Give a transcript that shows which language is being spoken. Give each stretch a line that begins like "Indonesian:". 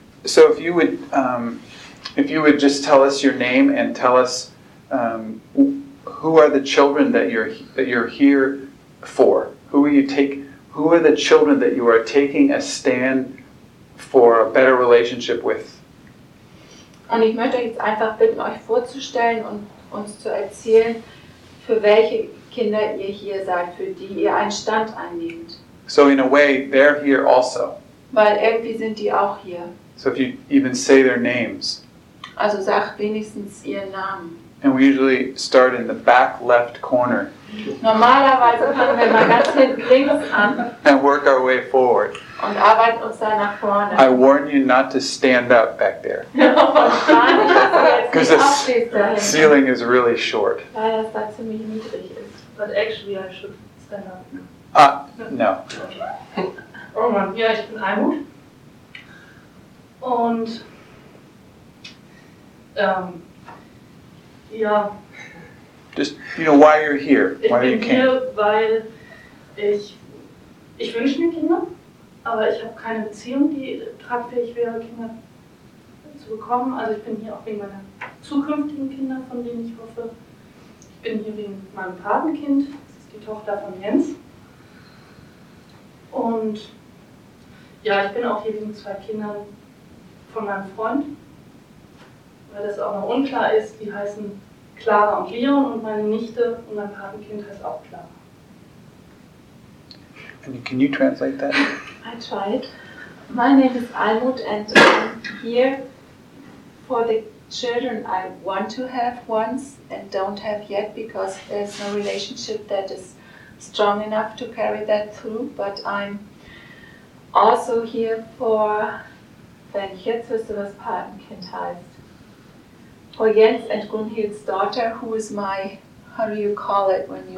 English: So if you would just tell us your name and tell us who are the children that you're here for? Who will you take? Who are the children that you are taking a stand for a better relationship with?
German: Und ich möchte jetzt einfach bitten, euch vorzustellen und uns zu erzählen, für welche Kinder ihr hier seid, für die ihr einen Stand einnehmt.
English: So in a way, they're here also.
German: Weil irgendwie sind die auch hier.
English: So if you even say their names.
German: Also sag wenigstens ihren Namen.
English: And we usually start in the back left corner.
German: Normalerweise fangen wir mal ganz hinten links an.
English: And work our way forward.
German: Und arbeiten uns dann nach vorne.
English: I warn you not to stand up back there. Because the ceiling is really short.
German: Weil das da ziemlich niedrig ist.
English: But actually I should stand up. No.
German: Roman, ja, ich bin Almut. Und ja.
English: Just, you know, why you're here. Why
German: ich
English: you
German: bin
English: came.
German: Hier, weil ich wünsche mir Kinder, aber ich habe keine Beziehung, die tragfähig wäre, Kinder zu bekommen. Also ich bin hier auch wegen meiner zukünftigen Kinder, von denen ich hoffe. Ich bin hier wegen meinem Patenkind, das ist die Tochter von Jens. Und ja, ich bin auch hier wegen zwei Kindern von meinem Freund, weil das auch noch unklar ist. Die heißen Clara und Leon und meine Nichte und mein Patenkind heißt auch Clara.
English: And can you translate that? I tried. My name is Almut and I'm here for the children I want to have once and don't have yet because there's no relationship that is strong enough to carry that through, but I'm also here for,
German: wenn ich jetzt wüsste, was Patenkind heißt,
English: for Jens and Gunhild's daughter, who is my, how do you call it when you...